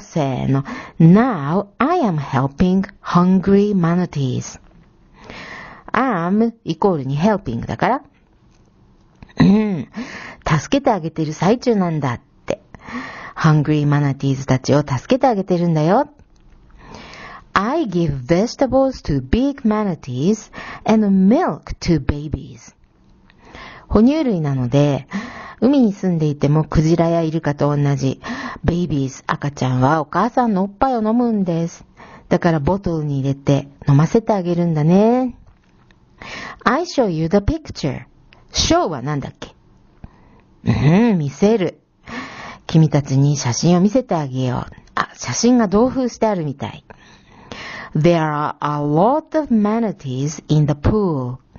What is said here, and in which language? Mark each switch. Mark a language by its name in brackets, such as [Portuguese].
[Japanese] せーの。 [English] Now I am helping hungry manatees. [Japanese] Am イコールに helping だから。助けてあげてる最中なんだって。 [English] Hungry manatees [Japanese] たちを助けてあげてるんだよ。 [English] I give vegetables to big manatees and milk to babies. [Japanese] 哺乳類なので、海に住んでいてもクジラやイルカと同じ。 [English] Babies、 [Japanese] 赤ちゃんはお母さんのおっぱいを飲むんです。だからボトルに入れて飲ませてあげるんだね。 [English] I show you the picture. Show [Japanese] はなんだっけ？見せる。君たちに写真を見せてあげよう。あ、写真が同封してあるみたい。 [English] There are a lot of manatees in the pool.